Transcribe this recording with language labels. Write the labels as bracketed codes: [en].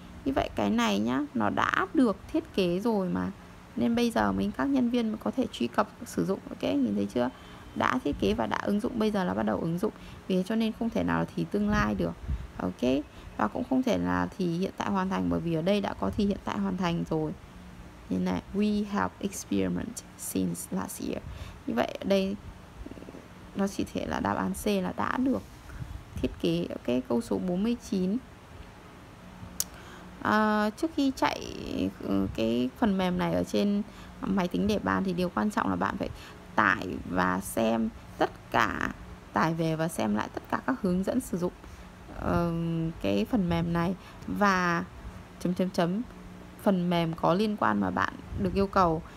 [vi] Như vậy cái này nhá, nó đã được thiết kế rồi mà. Nên bây giờ mình các nhân viên mới có thể truy cập sử dụng. Ok, nhìn thấy chưa? Đã thiết kế và đã ứng dụng, bây giờ là bắt đầu ứng dụng. Vì thế cho nên không thể nào là thì tương lai được. Ok. Và cũng không thể là thì hiện tại hoàn thành, bởi vì ở đây đã có thì hiện tại hoàn thành rồi. Như này, [en] we have experiment since last year. [vi] Như vậy ở đây nó chỉ thể là đáp án C là đã được thiết kế. Ok, câu số 49. Trước khi chạy cái phần mềm này ở trên máy tính để bàn thì điều quan trọng là bạn phải tải và xem tất cả, tải về và xem lại tất cả các hướng dẫn sử dụng cái phần mềm này và chấm chấm chấm phần mềm có liên quan mà bạn được yêu cầu.